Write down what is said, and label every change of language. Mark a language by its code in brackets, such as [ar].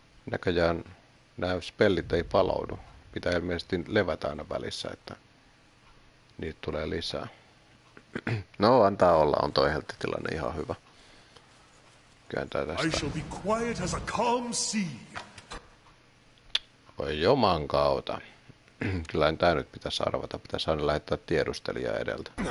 [fi] Näköjään nämä spellit ei palaudu. Pitää ilmeisesti levätä aina välissä, että niitä tulee lisää. No, antaa olla, on toi heltti tilanne ihan hyvä. Kääntää tästä. [en] I shall be quiet as a calm sea. [fi] Oi joman kautta. Kyllä tää nyt pitäisi arvata, pitäisi aina lähettää tiedustelijaa edeltä.